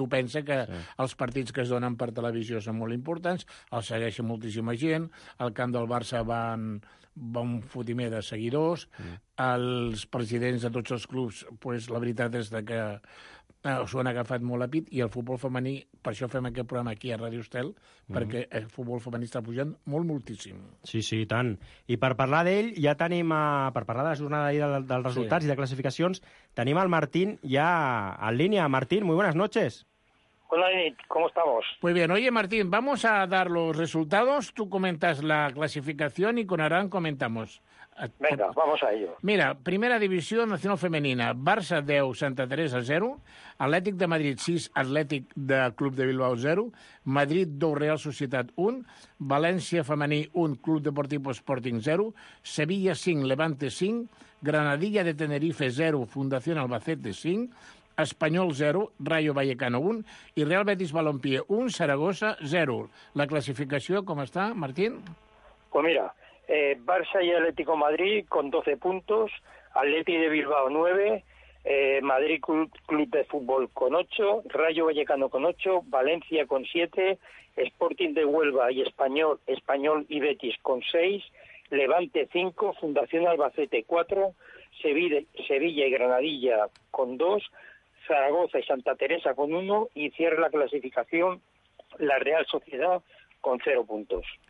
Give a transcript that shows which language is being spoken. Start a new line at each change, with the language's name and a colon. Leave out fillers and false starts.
Catalan: Tu pensa que els partits que es donen per televisió són molt importants, els segueixen moltíssima gent, el camp del Barça va un fotimer de seguidors, els presidents de tots els clubs, pues, la veritat és que s'ho han agafat molt a pit, i el futbol femení, per això fem aquest programa aquí a Ràdio Estel, perquè el futbol femení està pujant molt moltíssim. Sí, sí, tant. I per parlar d'ell, ja tenim, per parlar de la jornada d'ahir dels resultats, sí, i de classificacions, tenim el Martín ja en línia.
Spanish: Martín, muy buenas noches. Hola, ¿cómo estamos? Muy bien. Oye, Martín, vamos a dar los resultados. Tú comentas la clasificación y con Arán comentamos. Venga, vamos a ello. Mira, primera división nacional femenina.
Catalan: Barça 10, Santa Teresa 0. Atlètic de Madrid 6, Atlètic de Club de Bilbao 0. Madrid 2, Real Societat 1. València femení 1, Club Deportivo Sporting 0. Sevilla 5, Levante 5. Granadilla de Tenerife 0, Fundación Albacete 5. Espanyol 0, Rayo Vallecano 1 i Real Betis Balompié 1, Saragossa 0. La classificació com està, Martín?
Spanish: Pues mira, Barça y Atlético Madrid con 12 puntos, Atleti de Bilbao 9, Madrid Club de Fútbol con 8, Rayo Vallecano con 8, Valencia con 7, Sporting de Huelva y Español y Betis con 6, Levante 5, Fundación Albacete 4, Sevilla y Granadilla con 2, Zaragoza y Santa Teresa con 1 y cierra la clasificación la Real Sociedad con 0 puntos.